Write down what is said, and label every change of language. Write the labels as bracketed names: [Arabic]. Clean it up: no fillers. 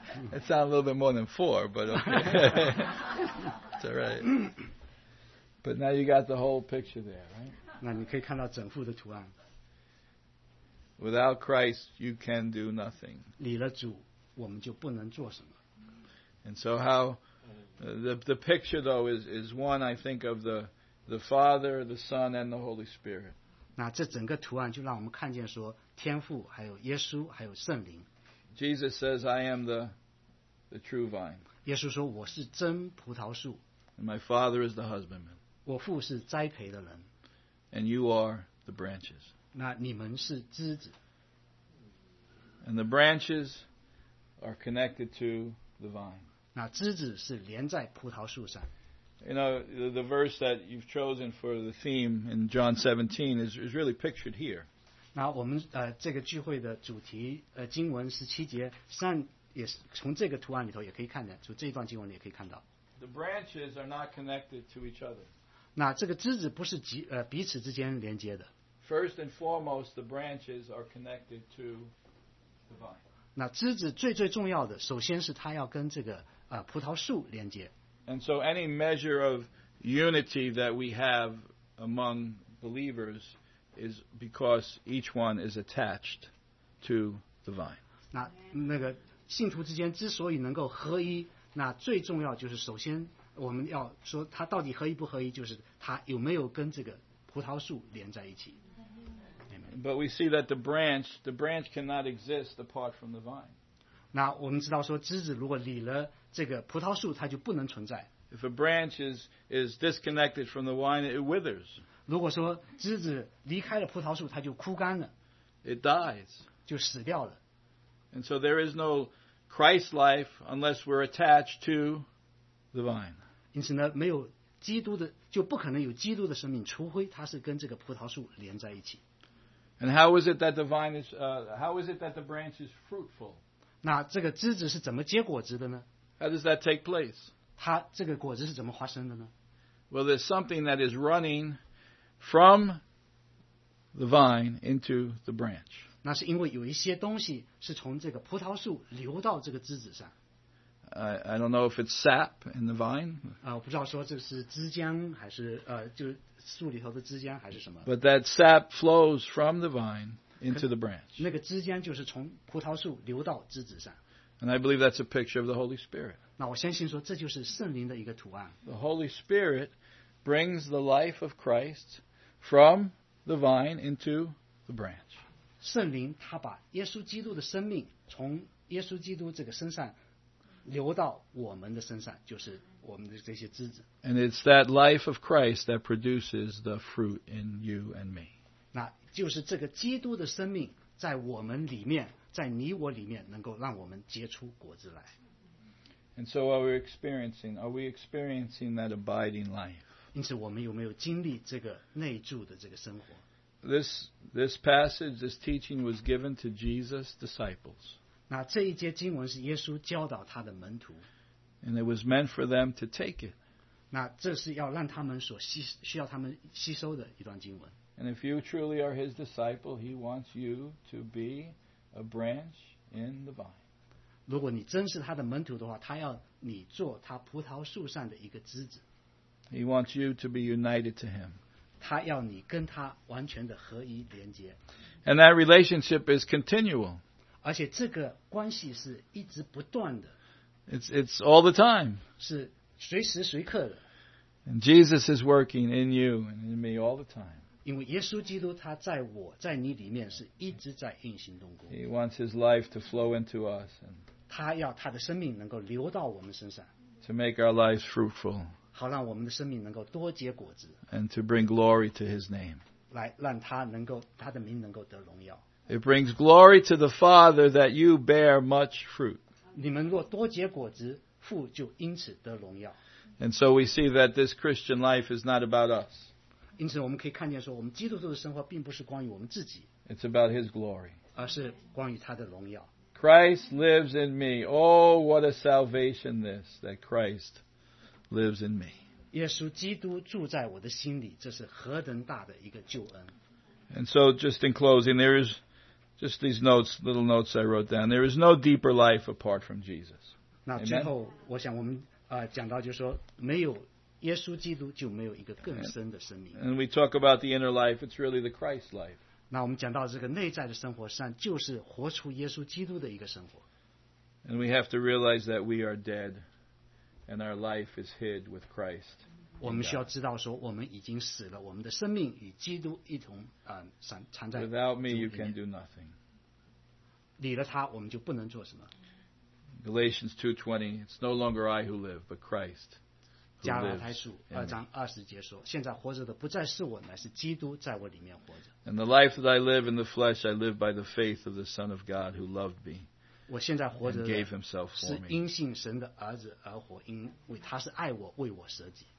[English] That sounds a little bit more than 4, but okay. It's all right. But now you got the whole picture there, right? [Chinese] 那你可以看到整幅的图案。 [English] Without Christ, you can do nothing. [Chinese] 离了主，我们就不能做什么。 [English] And so how... The picture, though, is one, I think, of the Father, the Son, and the Holy Spirit. [Chinese] 那这整个图案就让我们看见说天父还有耶稣还有圣灵。 [English] Jesus says, I am the true vine. [Chinese] 耶稣说我是真葡萄树。 [English] And my Father is the husbandman. [Chinese] 我父是栽培的人。 [English] And you are the branches. [Chinese] 那你们是枝子。 [English] And the branches are connected to the vine. [Chinese] 那枝子是连在葡萄树上。 [English] You know, the verse that you've chosen for the theme in John 17 is really pictured here. [Chinese] 那我们这个聚会的主题经文17节上也是从这个图案里头也可以看的，从这一段经文里也可以看到。 [English] The branches are not connected to each other. [Chinese] 那这个枝子不是彼此之间连接的。 [English] First and foremost, the branches are connected to the vine. [Chinese] 那枝子最最重要的，首先是它要跟这个葡萄树连接。 [English] And so any measure of unity that we have among believers is because each one is attached to the vine. [Chinese] 那个信徒之间之所以能够合一，那最重要就是首先我们要说它到底合一不合一，就是它有没有跟这个葡萄树连在一起。 [English] But we see that the branch cannot exist apart from the vine. [Chinese] 那我们知道说枝子如果离了这个葡萄树，它就不能存在。 [English] If a branch is disconnected from the vine, it withers. [Chinese] 如果说枝子离开了葡萄树，它就枯干了。 [English] It dies. [Chinese] 就死掉了。 [English] And so there is no Christ life unless we're attached to the vine. [Chinese] 因此呢，没有基督的，就不可能有基督的生命，除非它是跟这个葡萄树连在一起。 [English] And how is it that the vine is, how is it that the branch is fruitful? [Chinese] 那这个枝子是怎么结果子的呢？ [English] How does that take place? [Chinese] 它这个果子是怎么发生的呢？ [English] Well, there's something that is running from the vine into the branch. [Chinese] 那是因为有一些东西是从这个葡萄树流到这个枝子上。 [English] I don't know if it's sap in the vine. [Chinese] 我不知道说这是枝浆还是就树里头的枝浆还是什么。 [English] But that sap flows from the vine into the branch. [Chinese] 那个枝浆就是从葡萄树流到枝子上。 [English] And I believe that's a picture of the Holy Spirit. [Chinese] 那我相信说这就是圣灵的一个图案。 [English] The Holy Spirit brings the life of Christ from the vine into the branch. [Chinese] 圣灵他把耶稣基督的生命从耶稣基督这个身上。流到我们的身上，就是我们的这些枝子。 [English] And it's that life of Christ that produces the fruit in you and me. [Chinese] 那就是这个基督的生命在我们里面，在你我里面，能够让我们结出果子来。 [English] And so are we experiencing that abiding life? [Chinese] 因此，我们有没有经历这个内住的这个生活？ [English] This passage, this teaching was given to Jesus' disciples. [Chinese] 那这一节经文是耶稣教导他的门徒。 [English] And it was meant for them to take it. [Chinese] 那这是要让他们所需要他们吸收的一段经文。 [English] And if you truly are his disciple, he wants you to be a branch in the vine. [Chinese] 如果你真是他的门徒的话，他要你做他葡萄树上的一个枝子。 [English] He wants you to be united to him. [Chinese] 他要你跟他完全的合一连接。 [English] And that relationship is continual. [Chinese] 而且这个关系是一直不断的。 [English] It's all the time. [Chinese] 是随时随刻的。 [English] And Jesus is working in you and in me all the time. [Chinese] 因为耶稣基督他在我在你里面是一直在运行动工。 [English] He wants his life to flow into us. [Chinese] 他要他的生命能够流到我们身上。 [English] To make our lives fruitful. [Chinese] 好让我们的生命能够多结果子。 [English] And to bring glory to his name. [Chinese] 来让他能够他的名能够得荣耀。 [English] It brings glory to the Father that you bear much fruit. [Chinese] 你们若多结果子父就因此得荣耀。 [English] And so we see that this Christian life is not about us. [Chinese] 因此我们可以看见说我们基督徒的生活并不是关于我们自己。 [English] It's about his glory. [Chinese] 而是关于他的荣耀。 [English] Christ lives in me. Oh, what a salvation this, that Christ lives in me. [Chinese] 耶稣基督住在我的心里，这是何等大的一个救恩。 [English] And so just in closing, there is just these notes, little notes I wrote down. There is no deeper life apart from Jesus. [Chinese] 那最后我想我们讲到就是说没有耶稣基督就没有一个更深的生命。 [English] And we talk about the inner life, it's really the Christ life. [Chinese] 那我们讲到这个内在的生活上就是活出耶稣基督的一个生活。 [English] And we have to realize that we are dead and our life is hid with Christ. [Chinese] 我们需要知道说我们已经死了，我们的生命与基督一同藏在。 [English] Without me, you can do nothing. [Chinese] 离了他我们就不能做什么。 [English] Galatians 2:20, it's no longer I who live, but Christ. [Chinese] 加拉太书二章二十节说，现在活着的不再是我，乃是基督在我里面活着。 [English] And the life that I live in the flesh, I live by the faith of the Son of God who loved me. [Chinese] 我现在活着 [English] and gave himself for me. [Chinese] 是因信神的儿子而活，因为他是爱我，为我舍己。